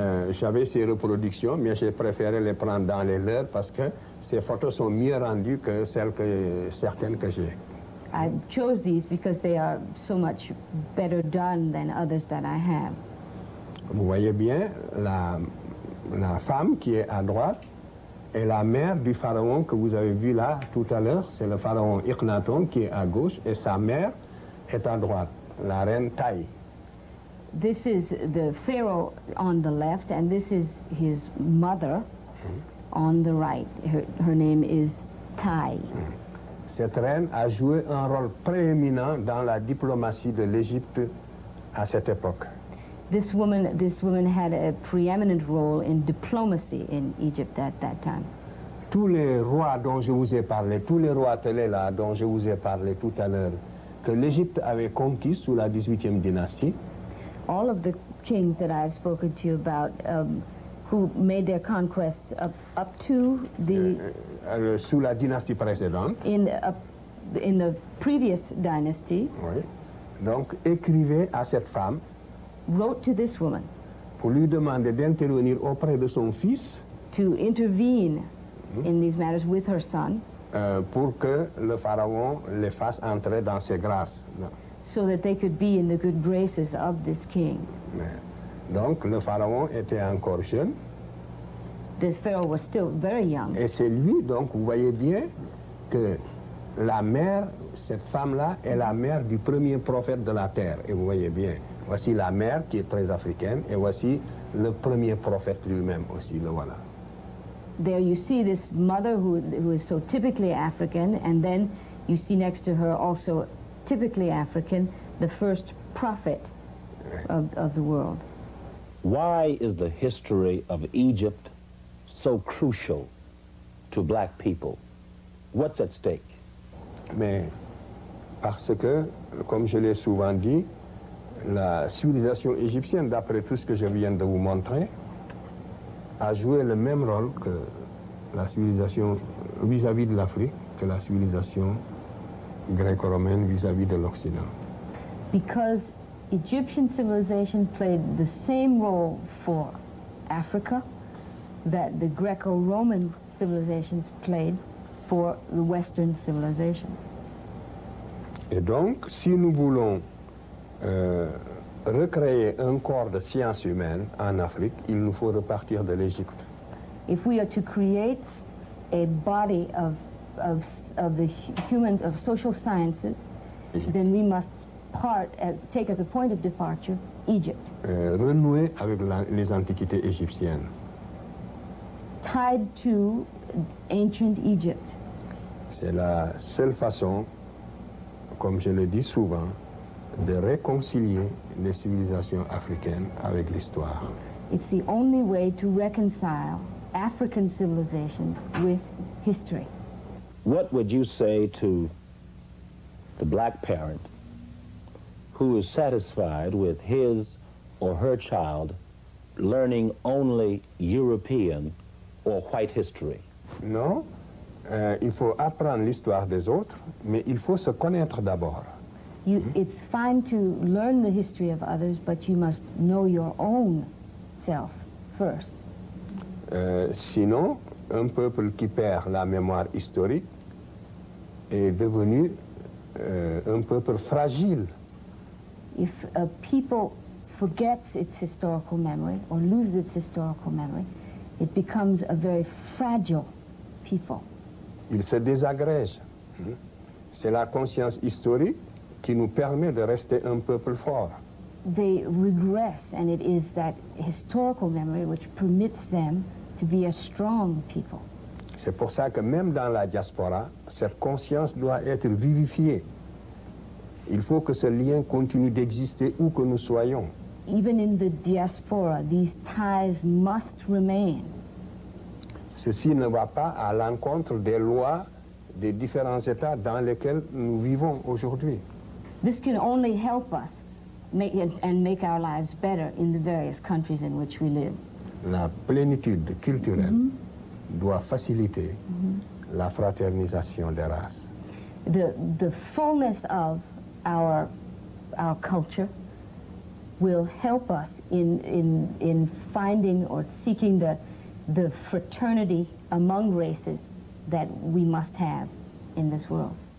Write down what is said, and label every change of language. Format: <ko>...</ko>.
<fr>J'avais ces reproductions, mais j'ai préféré les prendre dans les leurs parce que ces photos sont mieux rendues que celles que certaines que j'ai.</fr> <en>I chose these because they are so much better done than others that I have.</en> <fr>Vous voyez bien, la femme qui est à droite est la mère du pharaon que vous avez vu là tout à l'heure. C'est le pharaon Akhenaton qui est à gauche et sa mère est à droite, la reine Taï.</fr> <en>This is the pharaoh on the left, and this is his mother on the right. Her name is Thai.</en> <fr>Cette reine a joué un rôle prééminent dans la diplomatie de l'Égypte à cette époque.</fr> <en>This woman had a preeminent role in diplomacy in Egypt at that time.</en> <fr>Tous les rois dont je vous ai parlé, tous les rois télés là dont je vous ai parlé tout à l'heure, que l'Égypte avait conquis sous la 18e dynastie,</fr> <en>all of the kings that I've spoken to you about who made their conquests up to the</en> <fr>sous la dynastie précédente</fr> <en>in the previous dynasty.</en> <fr>Oui. Donc écrivait à cette femme,</fr> <en>wrote to this woman,</en> <fr>pour lui demander d'intervenir auprès de son fils,</fr> <en>to intervene in these matters with her son,</en> <fr>pour que le pharaon les fasse entrer dans ses grâces,</fr> <en>so that they could be in the good graces of this king.</en> <fr>Donc, le pharaon était encore jeune.</fr> <en>This pharaoh was still very young.</en> <fr>Et c'est lui, donc, vous voyez bien que la mère, cette femme-là, est la mère du premier prophète de la terre. Et vous voyez bien, voici la mère qui est très africaine, et voici le premier prophète lui-même aussi, le voilà.</fr> <en>There you see this mother who is so typically African, and then you see next to her also typically African, the first prophet of the world. Why is the history of Egypt so crucial to black people? What's at stake?</en> <fr>Mais parce que, comme je l'ai souvent dit, la civilisation égyptienne, d'après tout ce que je viens de vous montrer, a joué le même rôle que la civilisation vis-à-vis de l'Afrique, que la civilisation gréco-romaine vis-à-vis de l'Occident.</fr> <en>Because Egyptian civilization played the same role for Africa that the Greco-Roman civilizations played for the Western civilization.</en> <fr>Et donc, si nous voulons recréer un corps de science humaine en Afrique, il nous faut repartir de l'Égypte.</fr> <en>If we are to create a body of the humans of social sciences, Egypte. Then we must take as a point of departure Egypt.</en> <fr>Renouer avec les antiquités égyptiennes.</fr> <en>Tied to ancient Egypt.</en> <fr>C'est la seule façon, comme je le dis souvent, de réconcilier les civilisations africaines avec l'histoire.</fr> <en>It's the only way to reconcile African civilizations with history. What would you say to the black parent who is satisfied with his or her child learning only European or white history?</en> <fr>Non, il faut apprendre l'histoire des autres, mais il faut se connaître d'abord.</fr> <en>It's fine to learn the history of others, but you must know your own self first.</en> <fr>Sinon, un peuple qui perd la mémoire historique est devenu un peuple fragile.</fr> <en>If a people forgets its historical memory or loses its historical memory, it becomes a very fragile people.</en> <fr>Il se désagrège. C'est la conscience historique qui nous permet de rester un peuple fort.</fr> <en>They regress, and it is that historical memory which permits them to be a strong people.</en> <fr>C'est pour ça que même dans la diaspora, cette conscience doit être vivifiée. Il faut que ce lien continue d'exister où que nous soyons.</fr> <en>Even in the diaspora, these ties must remain.</en> <fr>Ceci ne va pas à l'encontre des lois des différents États dans lesquels nous vivons aujourd'hui.</fr> <en>This can only help us make and make our lives better in the various countries in which we live.</en> <fr>La plénitude culturelle doit faciliter la fraternisation des races.</fr> <en>The fullness of our culture will help us in finding or seeking the fraternity among races that we must have in this world.</en>